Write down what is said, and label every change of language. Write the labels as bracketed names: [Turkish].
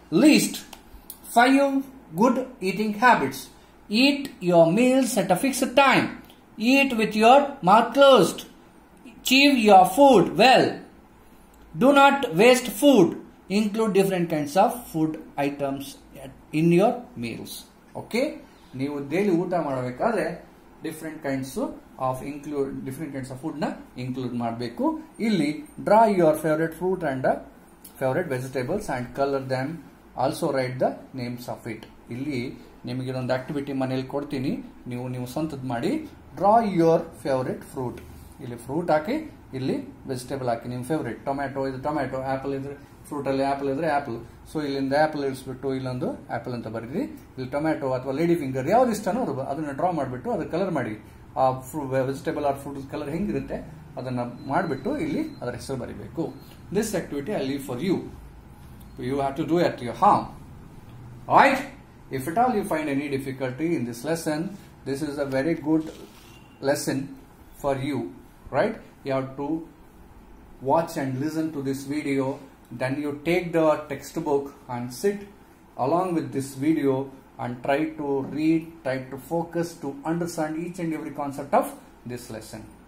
[English] List 5 good eating habits. Eat your meals at a fixed time. Eat with your mouth closed. Chew your food well. Do not waste food. Include different kinds of food items in your meals. Okay? [Kannada] ನೀವು daily ಊಟ ಮಾಡಬೇಕಾದ್ರೆ different kinds of food ನ include ಮಾಡಬೇಕು. [English] ಇಲ್ಲಿ draw your favourite fruit and favourite vegetables and colour them, also write the names of it. [Kannada] ಇಲ್ಲಿ ನಿಮಗೆ ಇದೊಂದು activity ಮನೆಯಲ್ಲಿ ಕೊಡ್ತೀನಿ, ನೀವು ಸ್ವಂತದ್ದು ಮಾಡಿ. ಡ್ರಾ ಯುವರ್ ಫೇವರೇಟ್ ಫ್ರೂಟ್, ಇಲ್ಲಿ ಫ್ರೂಟ್ ಹಾಕಿ, ಇಲ್ಲಿ ವೆಜಿಟೇಬಲ್ ಹಾಕಿ, ನಿಮ್ಮ ಫೇವ್ರೇಟ್. ಟೊಮ್ಯಾಟೊ ಇದ್ರೆ ಟೊಮ್ಯಾಟೊ, ಆ್ಯಪಲ್ ಇದ್ರೆ ಫ್ರೂಟಲ್ಲಿ ಆ್ಯಪಲ್ ಇದ್ರೆ ಆ್ಯಪಲ್. ಸೊ ಇಲ್ಲಿಂದ ಆ್ಯಪಲ್ ಇಳಿಸ್ಬಿಟ್ಟು ಇಲ್ಲೊಂದು ಆ್ಯಪಲ್ ಅಂತ ಬರೀರಿ. ಇಲ್ಲಿ ಟೊಮ್ಯಾಟೊ ಅಥವಾ ಲೇಡಿ ಫಿಂಗರ್ ಯಾವ್ದು ಇಷ್ಟನೋ ಅದನ್ನು ಡ್ರಾ ಮಾಡಿಬಿಟ್ಟು ಅದಕ್ಕೆ ಕಲರ್ ಮಾಡಿ. ಆ ವೆಜಿಟೇಬಲ್ ಆರ್ ಫ್ರೂಟ್ ಕಲರ್ ಹೆಂಗಿರುತ್ತೆ ಅದನ್ನು ಮಾಡಿಬಿಟ್ಟು ಇಲ್ಲಿ ಅದರ ಹೆಸರು ಬರೀಬೇಕು. [English] This activity I leave for you, you have to do at your home. ಆಯ್ತ್, if at all you find any difficulty in this lesson, this is a very good lesson for you. Right? You have to watch and listen to this video, then you take the textbook and sit along with this video and try to read, try to focus to understand each and every concept of this lesson.